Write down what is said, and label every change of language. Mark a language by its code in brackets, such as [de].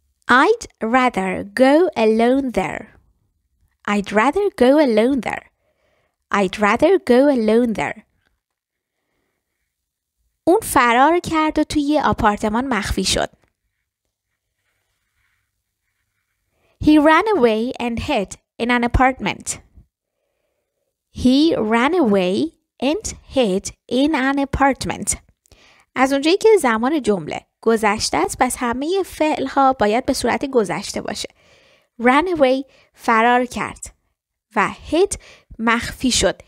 [en] I'd rather go alone there. I'd rather go alone there. I'd rather go alone there. [fa] اون فرار کرد و توی یه آپارتمان مخفی شد. [en] He ran away and hid in an apartment. He ran away and hid in an apartment. [fa] از اونجایی که زمان جمله گذشته است پس همه فعل ها باید به صورت گذشته باشه. [en] Run away [fa] فرار کرد و hit مخفی شد.